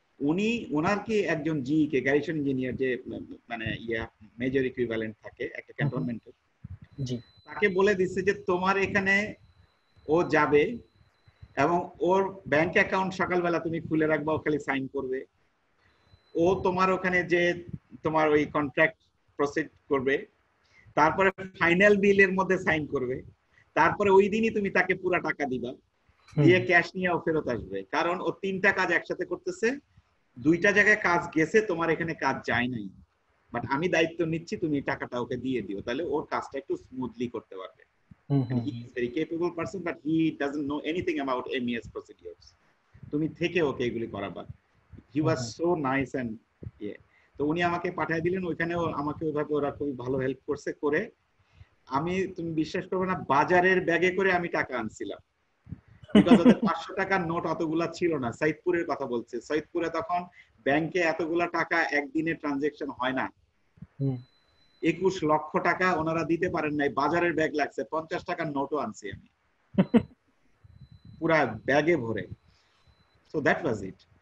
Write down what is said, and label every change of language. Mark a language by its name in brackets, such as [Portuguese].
[Bangla] উনি ওনার কি একজন জিকে গ্যারিসন ইঞ্জিনিয়ার যে মানে মেজর ইকুইভ্যালেন্ট থাকে একটা ক্যান্টনমেন্টে, তাকে বলে দিচ্ছে যে তোমার এখানে ও যাবে এবং ওর ব্যাংক অ্যাকাউন্ট সকালবেলা তুমি খুলে রাখবে, ও খালি সাইন করবে, ও তোমার ওখানে যে তোমার ওই কন্ট্রাক্ট প্রসিড করবে, তারপরে ফাইনাল বিলের মধ্যে সাইন করবে, তারপরে ওই দিনই তুমি তাকে পুরো টাকা দিবা, দিয়ে ক্যাশ নিয়ে ও ফেরত আসবে। কারণ ও তিনটা কাজ একসাথে করতেছে, দুইটা জায়গায় কাজ গেছে, তোমার এখানে কাজ যায় নাই, বাট আমি দায়িত্ব নিচ্ছি তুমি টাকাটা ওকে দিয়ে দিও, তাহলে ওর কাজটা একটু স্মুথলি করতে পারবে। [English] He is very capable person, but he doesn't know anything about MES procedures. [Bangla] তুমি থেকে ওকে এগুলি করাবা। [English] He was so nice and [Bangla] তো উনি আমাকে পাঠিয়ে দিলেন ওইখানে, আমাকে ওইভাবে ওরা খুবই ভালো হেল্প করছে। করে আমি, তুমি বিশ্বাস করবে না, বাজারের ব্যাগে করে আমি টাকা আনছিলাম, বিকজ ওদের 500 টাকার নোট অতগুলা ছিল না। সৈয়দপুরের কথা বলছে, সৈয়দপুরে তখন ব্যাংকে এতগুলা টাকা একদিনে ট্রানজেকশন হয় না, 21 লক্ষ টাকা ওনারা দিতে পারেন নাই, বাজারের ব্যাগ লাগছে, 50 টাকার নোটও আনছি আমি পুরা ব্যাগে ভরে। [English] So that was it.